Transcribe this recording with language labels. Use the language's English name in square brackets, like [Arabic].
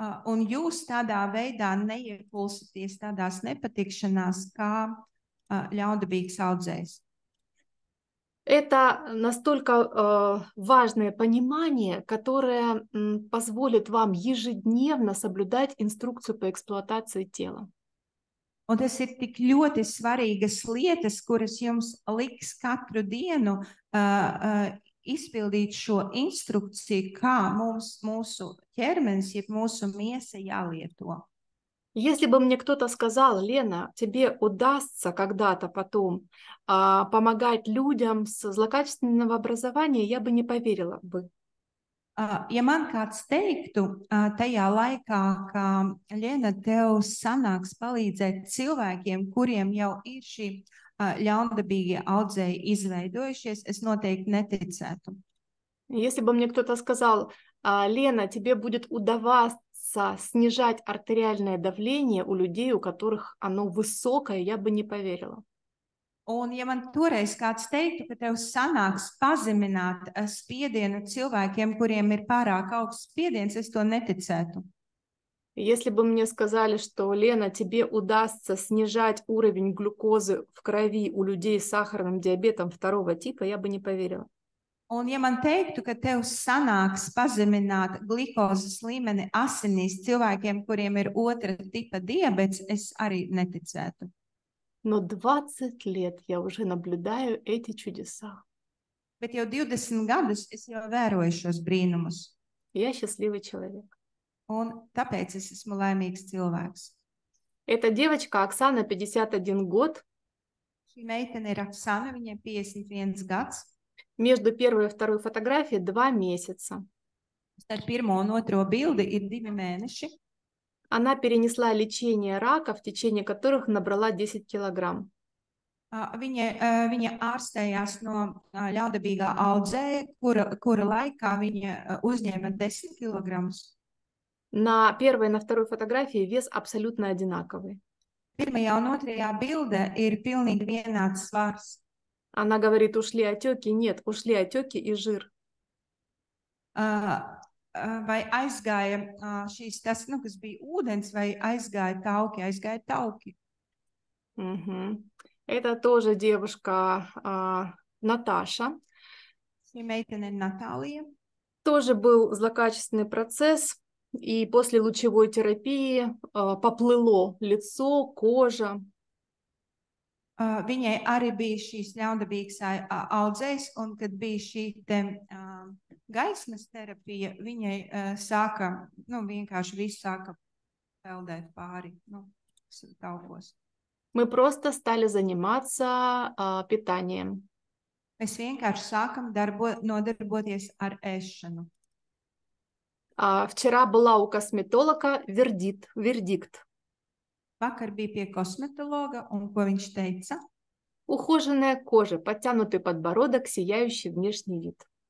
[Latvian] Un jūs tādā veidā neiepulsaties tādās nepatikšanās, kā ļaudabīgs audzējs. [Russian] Это настолько важное понимание, которое позволит вам ежедневно соблюдать инструкцию по эксплуатации тела. [Latvian] Un tas ir tik ļoti svarīgas lietas, kuras jums liks katru dienu izpildīt šo instrukciju, kā mums mūsu ķermenis, jeb mūsu miesa jālieto. [Russian] Если бы мне кто-то сказал, Лена, тебе удастся когда-то потом помогать людям с злокачественного образования, я бы не поверила бы. [Latvian] Ja man kāds teiktu tajā laikā, ka Ļena tev sanāks palīdzēt cilvēkiem, kuriem jau ir šī ļaundabīgie audzēji izveidojušies, es noteikti neticētu. [Russian] Если бы мне кто-то сказал, Лена, тебе будет удаваться снижать артериальное давление у людей, у которых оно высокое, я бы не поверила. [Latvian] Un ja man toreiz kāds teiktu, ka tev sanāks pazemināt spiedienu cilvēkiem, kuriem ir pārāk augsts spiediens, es to neticētu. [Russian] Если бы мне сказали, что Лена, тебе удастся снижать уровень глюкозы в крови у людей с сахарным диабетом второго типа, я бы не поверила. [Latvian] Un ja man teiktu, ka tev sanāks pazemināt glikozes līmeni asinīs cilvēkiem, kuriem ir otra tipa diabets, es arī neticētu. [Russian] Но 20 лет я уже наблюдаю эти чудеса. [Latvian] Bet jau 20 gadus es jau vēroju šos brīnumus. [Russian] Я счастливый человек. [Latvian] Un tāpēc es esmu laimīgs cilvēks. [Russian] Эта девочка Оксана, 51 год. [Latvian] Šī meitene ir Оксана, viņai 51 gads. [Russian] Между первой и второй фотографией 2 месяца. [Latvian] Starp pirmo un otro bildi ir 2 mēneši. [Russian] Она перенесла лечение рака, в течение которых набрала 10 килограмм. [Latvian] Viņa ārstējās no ļaudabīgā audzēja, kura laikā viņa uzņēma 10 kilogramus. [Russian] На первой и на второй фотографии вес абсолютно одинаковый. [Latvian] Pirmajā un otrajā bildē ir pilnīgi vienāds svars. [Russian] Она говорит, ушли отеки? Нет, ушли отеки и жир. [Latvian] Vai aizgāja šīs tas, nu, kas bija ūdens, vai aizgāja tauki, aizgāja tauki? Mhm. [Russian] Это тоже девушка Наташа. [Latvian] Šī meitene Natālija. [Russian] Тоже был злокачественный процесс, и после лучевой терапии поплыло лицо, кожа. [Latvian] Viņai arī bija šīs ļaundabīgas audzējs, un kad bija šī te gaismas terapija, viņai sāka, nu, vienkārši viss sāka peldēt pāri, nu, taukos. [Russian] Мы просто стали заниматься питанием. [Latvian] Mēs vienkārši sākam nodarboties ar ēšanu. [Russian] Вчера была у косметолога вердикт. [Latvian] Vakar bija pie kosmetologa, un ko viņš teica? [Russian] Ухоженная кожа, подтянутый подбородок, сияющий внешний вид.